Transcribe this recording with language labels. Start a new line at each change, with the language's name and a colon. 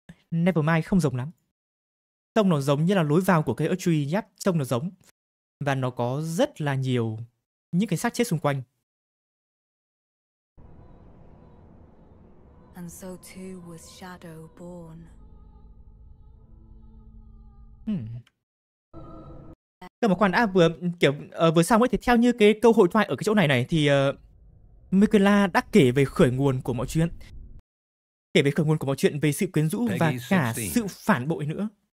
Vietnamese: Nevermind, không giống lắm. Trông nó giống như là lối vào của cái Earth Tree nhé. Trông nó giống. Và nó có rất là nhiều những cái xác chết xung quanh.
English: And so too was Shadow born.
Vietnamese: Cơ mà khoan đã, vừa xong ấy thì theo như cái câu hội thoại ở cái chỗ này này thì Mikula đã kể về khởi nguồn của mọi chuyện. Kể về khởi nguồn của mọi chuyện về sự quyến rũ và cả sự phản bội nữa.